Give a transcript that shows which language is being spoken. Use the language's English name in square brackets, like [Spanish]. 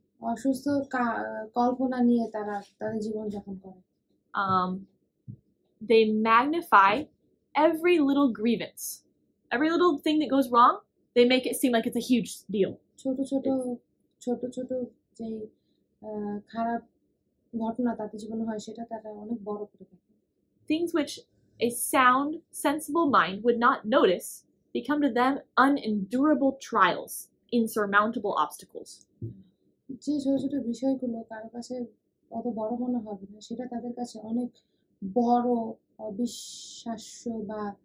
[Bangla] অসুস্থ কল্পনা নিয়ে তারা জীবন যাপন করে. [English] They magnify every little grievance. Every little thing that goes wrong, they make it seem like it's a huge deal. [Bangla] ছোট ছোট যে খারাপ ঘটনা তাদের জীবনে হয় সেটা তারা অনেক বড় করে দেখে. [English] Things which a sound, sensible mind would not notice become to them unendurable trials, insurmountable obstacles. [Bangla] যে ছোট ছোট বিষয়গুলো কারোর কাছে অত বড় মনে হবে না সেটা তাদের কাছে অনেক বড় অবিশ্বাস্য বা